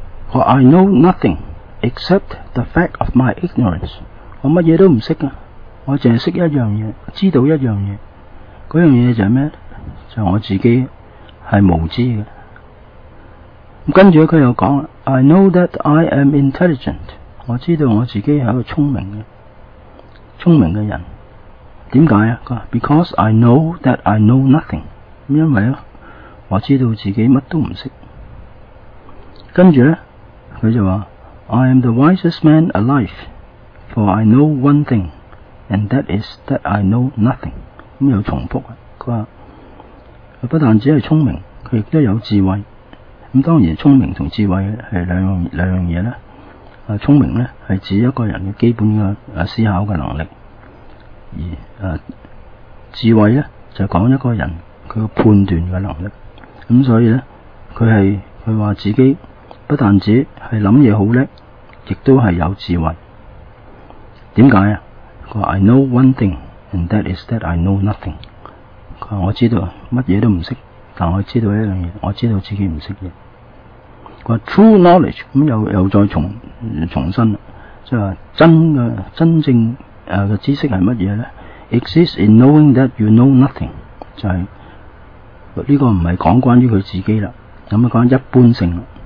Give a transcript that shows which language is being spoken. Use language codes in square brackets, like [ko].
[en] For I know nothing except the fact of my ignorance. [yue] 我乜嘢都唔識啊！我淨係識一樣嘢，知道一樣嘢。嗰樣嘢就係咩？就我自己係無知嘅。跟住佢又講 [en] ：I know that I am intelligent. [yue] 我知道我自己係一個聰明嘅人。點解啊 [en] ？Because I know that I know nothing. [yue] 因為我知道自己乜都唔識。跟住咧，佢就話 [en] ：I am the wisest man alive, for I know one thing, and that is that I know nothing。 [yue] 咁又重複啊！佢話：佢不但只係聰明，佢亦都有智慧。咁當然，聰明同智慧係兩樣嘢啦。聰明咧係指一個人嘅基本嘅思考嘅能力，而智慧咧就是、講一個人佢嘅判斷嘅能力。咁所以咧，佢話自己。不但止係諗嘢好叻，亦都係有智慧。點解啊？佢話 [en] I know one thing, and that is that I know nothing。 [yue] 佢話我知道乜嘢都唔識，但我知道一樣嘢，我知道自己唔識嘢。佢話 [en] true knowledge [yue] 咁又再重申，即係真正嘅知識係乜嘢咧 ？ [en] Exists in knowing that you know nothing， [yue] 就係、是、呢、這個唔係講關於佢自己啦，咁啊講一般性啦。